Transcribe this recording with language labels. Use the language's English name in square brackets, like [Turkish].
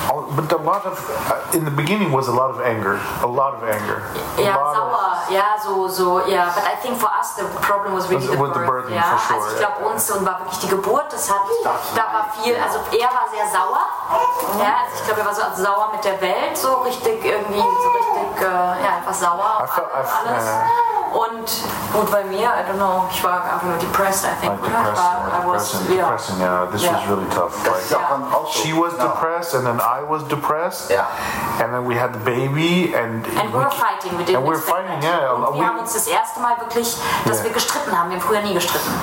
[English] But a lot of, in the beginning was a lot of anger, a lot of anger. Yeah, sauer, yeah, so, yeah. But I think for us the problem was really with the birthing, yeah. For sure, [German] also ich glaube uns und war wirklich die Geburt. Das hat, da war viel. Also war sehr sauer. Ja, also ich glaube war so sauer mit der Welt, so richtig irgendwie, so richtig, einfach sauer auf alles. Und gut, bei mir, [English] I don't know, [German] ich war einfach nur depressed, [English] I think. Like depressing, was really tough. She was depressed, and then I was depressed. Yeah. And then we had the baby, and we were fighting. [German] Wir haben uns das erste Mal wirklich, dass wir gestritten haben. Wir haben früher nie gestritten.